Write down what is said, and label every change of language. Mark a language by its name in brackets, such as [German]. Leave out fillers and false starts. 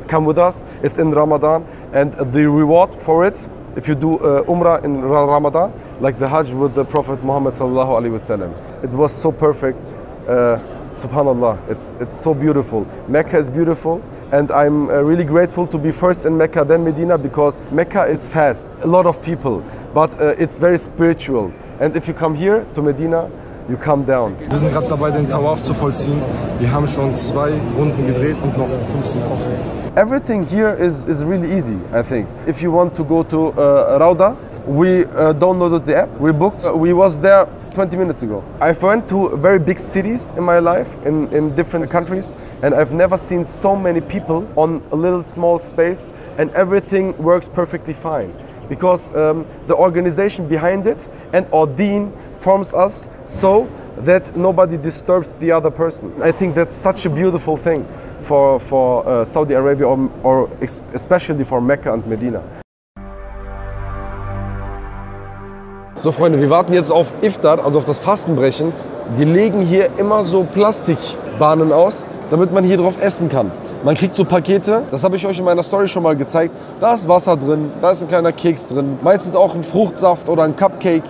[English] Come with us. It's in Ramadan. And the reward for it, if you do Umrah in Ramadan, like the Hajj with the Prophet Muhammad sallallahu alayhi wa sallam. It was so perfect. Subhanallah, it's so beautiful. Mecca is beautiful and I'm really grateful to be first in Mecca then Medina, because Mecca is fast, a lot of people, but it's very spiritual. And if you come here to Medina, you come down. [German] Wir sind gerade dabei, den Tawaf zu vollziehen. Wir haben schon 2 Runden gedreht und noch 15 offen. [English] Everything here is really easy, I think. If you want to go to Rauda, we downloaded the app, we booked, we was there 20 minutes ago. I've went to very big cities in my life, in different countries, and I've never seen so many people on a little small space, and everything works perfectly fine. Because the organization behind it and our deen forms us so that nobody disturbs the other person. I think that's such a beautiful thing for Saudi Arabia, or especially for Mecca and Medina. [German] So Freunde, wir warten jetzt auf Iftar, also auf das Fastenbrechen. Die legen hier immer so Plastikbahnen aus, damit man hier drauf essen kann. Man kriegt so Pakete, das habe ich euch in meiner Story schon mal gezeigt. Da ist Wasser drin, da ist ein kleiner Keks drin, meistens auch ein Fruchtsaft oder ein Cupcake.